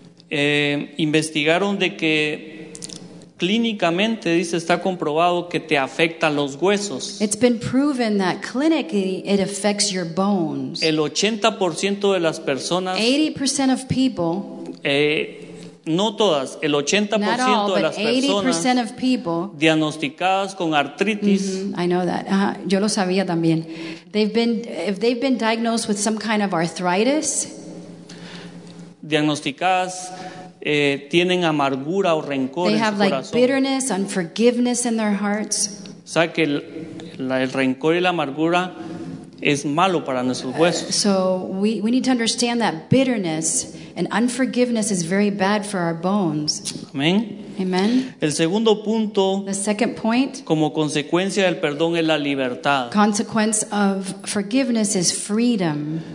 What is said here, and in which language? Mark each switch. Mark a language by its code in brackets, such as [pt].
[es] Investigaron de que clínicamente dice está comprobado que te afecta los huesos. [en] It's been proven that clinically it affects your bones. [es] El 80% de las personas. [en] 80% of people. [es] No todas, el 80% [en] all, [es] de las personas [en] of people, [es] diagnosticadas con artritis. [en] Mm-hmm, I know that. [es] Yo lo sabía también. [en] If they've been diagnosed with some kind of arthritis. [es] Diagnosticadas tienen amargura o rencor [en] they [es] en su [en] They have like bitterness, unforgiveness in their hearts. [es] O sea que el rencor y la amargura es malo para nuestros huesos. [en] So we need to understand that bitterness and unforgiveness is very bad for our bones. [es] Amén. [en] Amen. [es] El segundo punto. [en] The second point. [es] Como consecuencia del perdón es la libertad. [en] Consequence of forgiveness is freedom.